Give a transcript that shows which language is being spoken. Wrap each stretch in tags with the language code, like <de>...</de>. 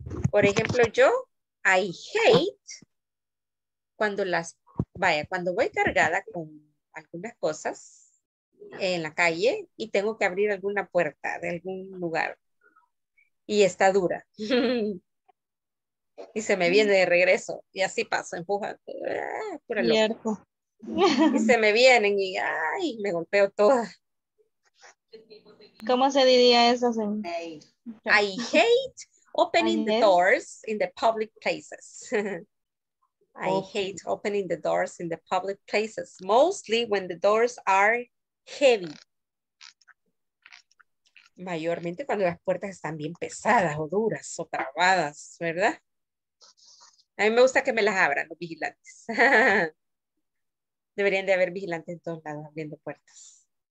<es>Por ejemplo, yo, I hate cuando las, vaya, cuando voy cargada con algunas cosas en la calle y tengo que abrir alguna puerta de algún lugar. Y está dura. Y se me viene de regreso. Y así pasa, empujando. Y se me vienen y ay, me golpeo toda. ¿Cómo se diría eso?</es> <en>I hate opening the doors in the public places. I hate opening the doors in the public places. Mostly when the doors are heavy.</en> <es>Mayormente cuando las puertas están bien pesadas o duras o trabadas, ¿verdad? A mí me gusta que me las abran los vigilantes. Deberían de haber vigilantes en todos lados abriendo puertas.</es>